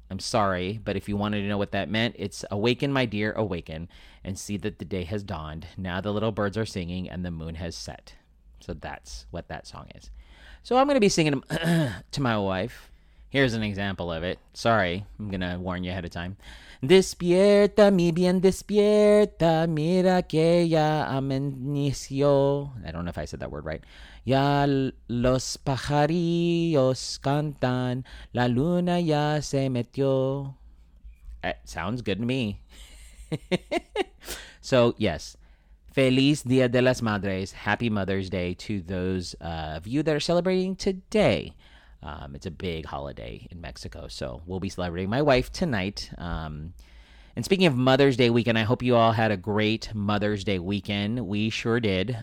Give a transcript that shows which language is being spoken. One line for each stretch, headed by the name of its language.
English: I'm sorry, but if you wanted to know what that meant, it's awaken, my dear, awaken, and see that the day has dawned. Now the little birds are singing and the moon has set. So that's what that song is. So I'm going to be singing to my wife. Here's an example of it. Sorry, I'm going to warn you ahead of time.
Spanish: Despierta, mi bien, despierta, mira que ya amaneció.
English: I don't know if I said that word right.
Spanish: Ya los pajarillos cantan, la luna ya se metió.
English: It sounds good to me. So, yes.
Spanish: Feliz Día de las Madres,
English: Happy Mother's Day to those of you that are celebrating today. It's a big holiday in Mexico, so we'll be celebrating my wife tonight. And speaking of Mother's Day weekend, I hope you all had a great Mother's Day weekend. We sure did.